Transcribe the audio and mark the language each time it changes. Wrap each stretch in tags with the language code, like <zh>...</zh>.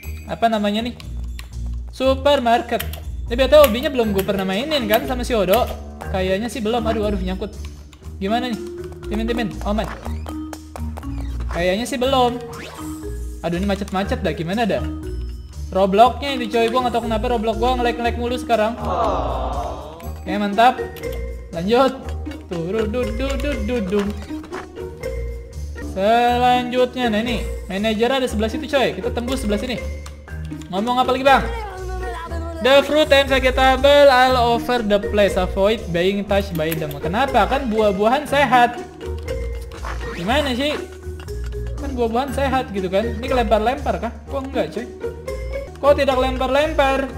<id>Apa namanya nih? Supermarket. Tapi atau obinya belum gue pernah mainin kan sama si Odo? Kayaknya sih belum. Aduh, nyangkut. Gimana nih? Timin-timin, Oman. Kayaknya sih belum. Aduh, ini macet-macet dah. Gimana dah? Robloknya ini coy. Gue gak tau kenapa Roblox gue ngelag-ngelag mulu sekarang. Oke, mantap. Lanjut. Turududududududum. Selanjutnya, nah ini. Manajernya ada sebelah situ coy. Kita tembus sebelah sini. Ngomong apa lagi bang?</id> <en>The fruit and vegetable all over the place. Avoid being touched by them.</en> <id>Kenapa? Kan buah-buahan sehat. Gimana sih? Kan buah-buahan sehat gitu kan. Ini kelempar-lempar kah? Kok enggak cuy? Kok tidak lempar-lempar?</id>